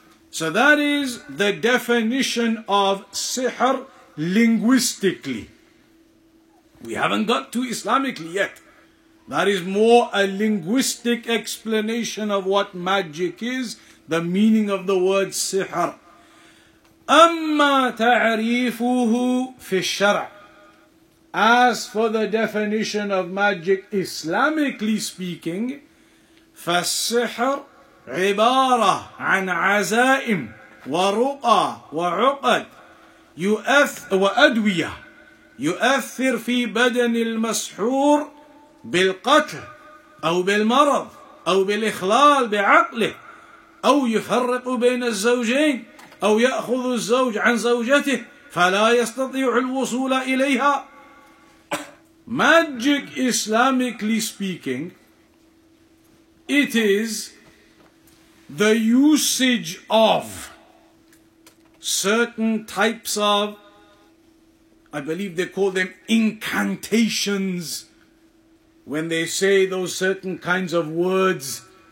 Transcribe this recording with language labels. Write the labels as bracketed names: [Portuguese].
[English] So that is the definition of sihr linguistically. We haven't got to Islamically yet. That is more a linguistic explanation of what magic is, the meaning of the word sihr. [Arabic] أَمَّا تَعْرِيفُهُ فِي الشَّرْعِ. [English] As for the definition of magic, Islamically speaking, [Arabic] فَالسِّحْرُ عِبَارَةٌ عَنْ عَزَائِمٍ وَرُؤَى وَعُقَدٍ وَأَدْوِيَةٍ يُؤَثِّرُ فِي بَدَنِ الْمَسْحُورِ بِالْقَتْلِ أَوْ بِالْمَرَضِ أَوْ بِالْإِخْلَالِ بِعَقْلِهِ أَوْ يُفَرِّقُ بَيْنَ الزَّوْجَيْنِ أَوْ يَأْخُذُ الزَّوْجَ عَنْ زَوْجَتِهِ فَلَا يَسْتَطِيعُ الْوُصُولَ إِلَيْهَا. [English] Magic, Islamically speaking, it is the usage of certain types of, I believe they call them incantations, when they say those certain kinds of words,